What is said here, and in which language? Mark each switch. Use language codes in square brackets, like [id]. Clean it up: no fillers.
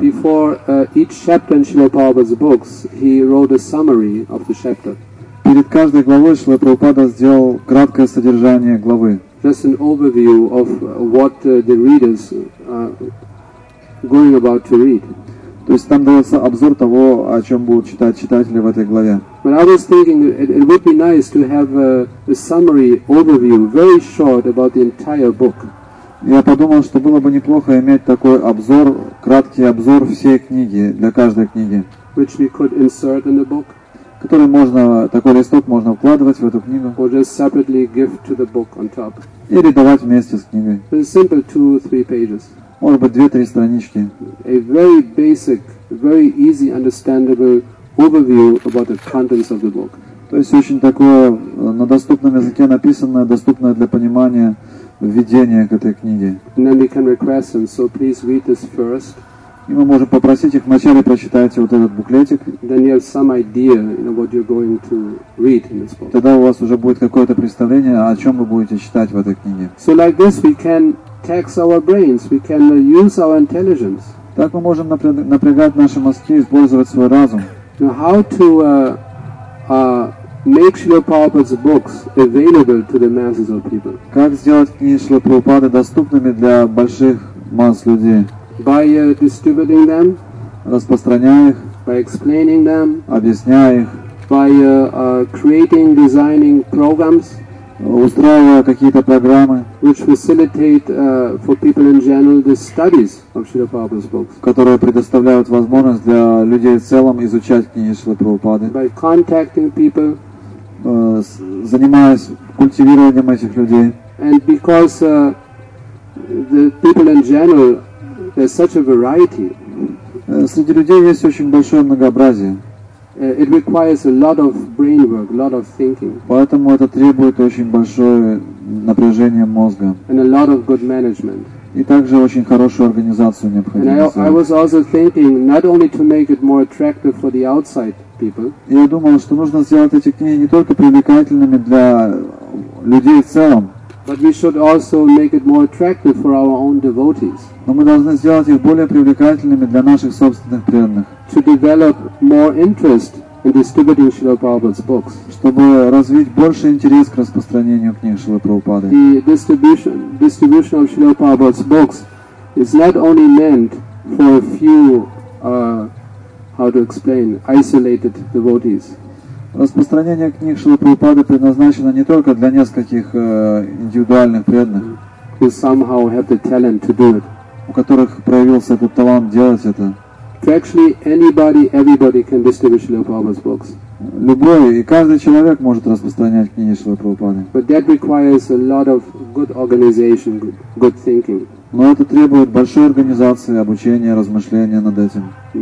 [en] Before each chapter in Śrīla Prabhupāda's books, he wrote a summary of the chapter. [ru] Перед каждой главой Śrīla Prabhupāda сделал краткое содержание главы. [en] Just an overview of what the readers going about to read. [ru] То есть там дается обзор того, о чем будут читать читатели в этой главе. [en] But I was thinking it would be nice to have a summary overview, very short, about the entire book. [ru] Я подумал, что было бы неплохо иметь такой обзор, краткий обзор всей книги, для каждой книги. [en] Which we could insert in the book. [ru] Который можно, такой листок можно вкладывать в эту книгу. [en] Or just separately give to the book on top. [ru] Или давать вместе с книгой. [en] It's simple, 2-3 pages. [ru] Может быть, 2-3 странички. [en] A very basic, very easy understandable overview about the contents of the book. [ru] То есть очень такое на доступном языке написанное, доступное для понимания введение к этой книге. [en] And then we can request them, so please read this first. [ru] И мы можем попросить их вначале прочитайте вот этот буклетик. [en] Then you have some idea, you know, what you're going to read in this book. [ru] Тогда у вас уже будет какое-то представление, о чем вы будете читать в этой книге. [en] So like this we can tax our brains, we can use our intelligence. [ru] Так мы можем напрягать наши мозги, использовать свой разум. [en] Now how to make Śrīla Prabhupāda's books available to the masses of people? [ru] Как сделать книги Śrīla Prabhupāda доступными для больших масс людей? [en] By distributing them, [ru] распространяя их, [en] by explaining them, [ru] объясняя их, [en] by creating, designing programs, [ru] устраивая какие-то программы, [en] which facilitate for people in general the studies of Śrīla Prabhupāda's books, [ru] которые предоставляют возможность для людей в целом изучать книги Śrīla Prabhupāda, [en] by contacting people, [ru] занимаясь культивированием этих людей, [en] and because the people in general, there's such a variety. [ru] Среди людей есть очень большое многообразие. [en] It requires a lot of brain work, a lot of thinking. [ru] Поэтому это требует очень большое напряжение мозга. [en] And a lot of good management. [ru] И также очень хорошую организацию необходимо. [en] And I was also thinking not only to make it more attractive for the outside people. [ru] Я думал, что нужно сделать эти книги не только привлекательными для людей в целом. [en] But we should also make it more attractive for our own devotees. [ru] Но мы должны сделать их более привлекательными для наших собственных преданных. [en] To develop more interest in distributing Śrīla Prabhupāda's books. [ru] Чтобы развить больше интерес к распространению книг Śrīla Prabhupāda. [en] The distribution of Śrīla Prabhupāda's books is not only meant for a few, isolated devotees. [ru] Распространение книг Шрилы Прабхупады предназначено не только для нескольких индивидуальных преданных, [en] who somehow have the talent to do it, [ru] у которых проявился этот талант делать это. [en] To actually anybody, everybody can distribute Shrila Prabhupada's books. [ru] Любой и каждый человек может распространять книги Шрилы Прабхупады. [en] But that requires a lot of good organization, good thinking. [ru] Но это требует большой организации, обучения, размышления над этим.